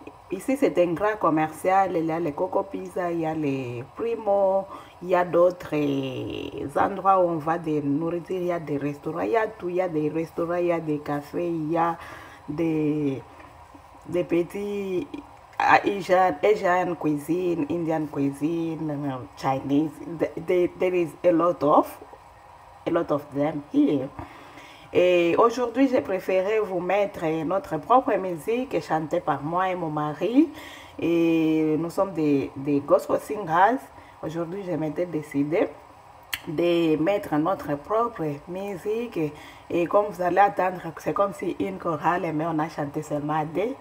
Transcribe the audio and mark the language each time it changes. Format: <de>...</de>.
<fr>Ici, c'est un grand commercial. Il y a les Coco Pizza, il y a les Primo, il y a d'autres endroits où on va de nourriture. Il y a des restaurants, il y a tout. Il y a des restaurants, il y a des cafés, il y a des petits.</fr> <en>Asian cuisine, Indian cuisine, Chinese, there is a lot of them here.</en> <fr>Et aujourd'hui, j'ai préféré vous mettre notre propre musique chantée par moi et mon mari. Et nous sommes des</fr> <en>gospel singers.</en> <fr>Aujourd'hui, je m'étais décidé de mettre notre propre musique. Et comme vous allez attendre, c'est comme si une chorale, mais on a chanté seulement deux.</fr>